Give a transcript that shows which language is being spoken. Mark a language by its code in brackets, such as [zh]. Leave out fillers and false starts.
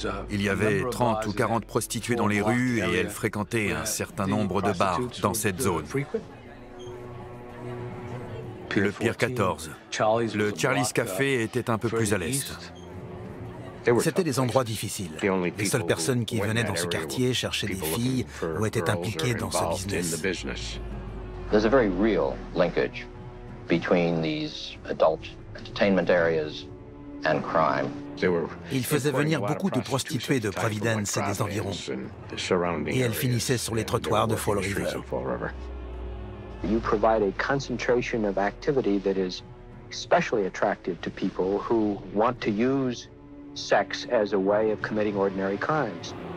[fr] Il y avait 30 ou 40 prostituées dans les rues et elles fréquentaient un certain nombre de bars dans cette zone. Le Pier 14, le Charlie's Café était un peu plus à l'est. C'était des endroits difficiles. Les seules personnes qui venaient dans ce quartier cherchaient des filles ou étaient impliquées dans ce business. [en] There's a very real linkage between these adult entertainment areas and crime. [fr] Ils faisaient venir beaucoup de prostituées de Providence et des environs. Et elles finissaient sur les trottoirs de Fall River. [en] You provide a concentration of activity that is especially attractive to people who want to use sex as a way of committing ordinary crimes.